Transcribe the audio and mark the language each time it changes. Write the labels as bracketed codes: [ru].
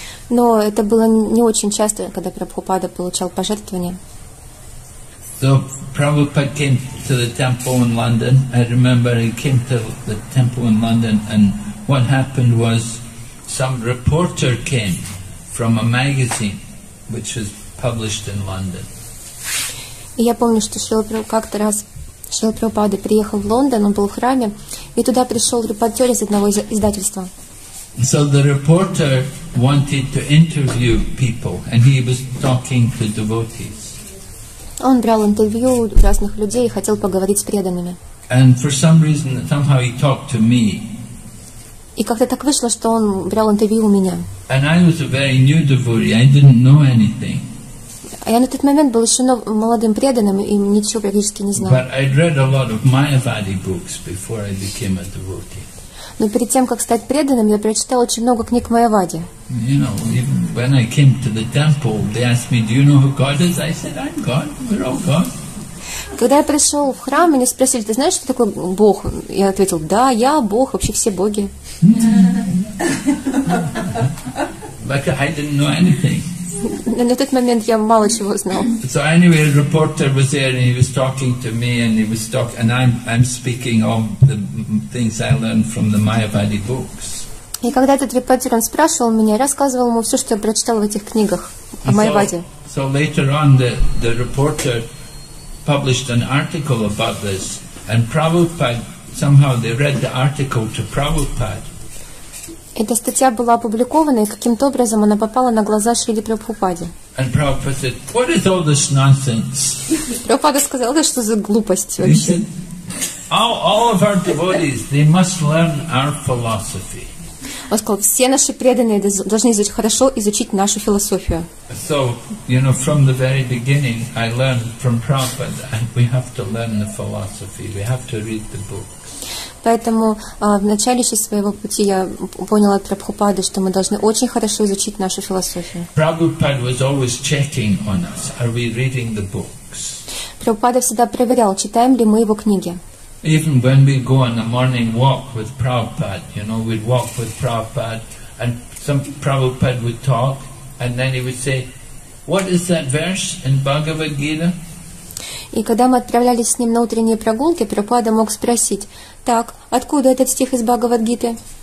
[ru] Но это было не очень часто, когда Прабхупада получал пожертвования. [en] So Prabhupada came to the temple in London. I remember he came to the temple in London, and what happened was some reporter came from a magazine which was published in London. [ru] Я помню, что как-то раз Шрила Прабхупада приехал в Лондон, он был в храме, и туда пришел репортер из одного издательства. [en] So the reporter wanted to interview people, and he was talking to devotees. [ru] Он брал интервью у разных людей и хотел поговорить с преданными. [en] And for some reason, somehow he talked to me. [ru] И как-то так вышло, что он брал интервью у меня. [en] And I was a very new devotee. I didn't know anything. [ru] А я на тот момент был еще молодым преданным и ничего практически не знал. [en] But I'd read a lot of Mayavadi books before I became a devotee. [ru] Но перед тем, как стать преданным, я прочитал очень много книг Майявади. [en] You know, even when I came to the temple, they asked me, do you know who God is? I said, I'm God. We're all God. [ru] Когда я пришел в храм, меня спросили, ты знаешь, что такое Бог? Я ответил, да, я Бог, вообще все боги. [en] But I didn't know anything. [ru] На тот момент я мало чего знал. [en] So anyway, a reporter was there and he was talking to me and he was talking, and I'm speaking of the things I learned from the Mayavadi books. [ru] И когда этот репортер, он спрашивал меня, рассказывал ему все, что я прочитал в этих книгах о Майяваде. [en] So later on, the reporter published an article about this, and Prabhupada, somehow they read the article to Prabhupada. [ru] Эта статья была опубликована, и каким-то образом она попала на глаза Шрили Прабхупаде. [en] And Prabhupada said, "What is all this nonsense?" [ru] Прабхупада сказал, да что за глупость вообще. [en] All of our devotees, they must learn our philosophy. [ru] Он сказал, все наши преданные должны изучить, хорошо изучить нашу философию. [en] So, you know, from the very beginning, I learned from Prabhupada, and we have to learn the philosophy. We have to read the books. [ru] Поэтому в начале еще своего пути я поняла от Прабхупады, что мы должны очень хорошо изучить нашу философию. [en] Prabhupada was always checking on us. Are we reading the books? [ru] Прабхупада всегда проверял, читаем ли мы его книги. [en] Even when we go on a morning walk with Prabhupada, you know, we'd walk with Prabhupada, and some Prabhupada would talk, and then he would say, "What is that verse in Bhagavad Gita?" [ru] И когда мы отправлялись с ним на утренние прогулки, Прабхупада мог спросить: "Так, откуда этот стих из Бхагавад Гиты?"